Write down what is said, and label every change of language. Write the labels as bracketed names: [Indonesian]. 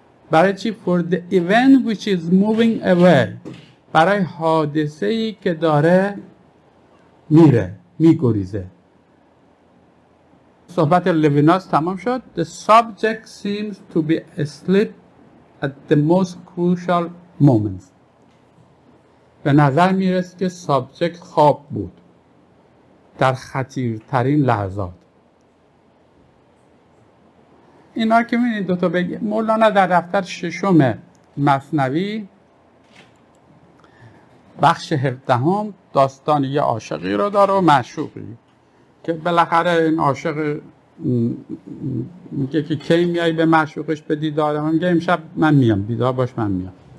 [Persian] برای چی؟ [English] For the event which is moving away. [Persian] برای حادثه‌ای که داره میره، میگریزه. صحبت لیویناس تمام شد. [English] The subject seems to be asleep at the most crucial moments. [Persian] به نظر میرسه که سابجکت خواب بود در خطیرترین لحظات. اینا که میبینید دو تا بگی مولانا در دفتر ششم مثنوی بخش 17 داستان یه عاشقی رو داره و معشوقی، که بالاخره این عاشق میگه که کی میای به معشوقش به دیدارم، میگه امشب من میام دیدار باش من میام.